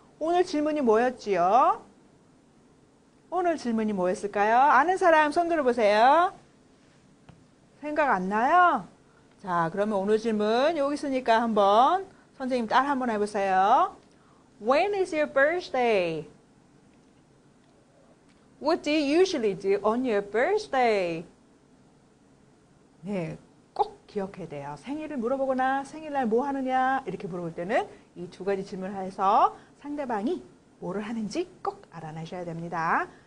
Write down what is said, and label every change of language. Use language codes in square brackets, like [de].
[ko] 오늘 질문이 뭐였지요? 오늘 질문이 뭐였을까요? 아는 사람 손 들어보세요. 생각 안 나요? 자, 그러면 오늘 질문 여기 있으니까 한번 선생님 따라 한번 해보세요. [en] When is your birthday? What do you usually do on your birthday? [ko] 네, 꼭 기억해야 돼요. 생일을 물어보거나 생일날 뭐 하느냐 이렇게 물어볼 때는 이두 가지 질문을 해서 상대방이 뭐를 하는지 꼭 알아내셔야 됩니다.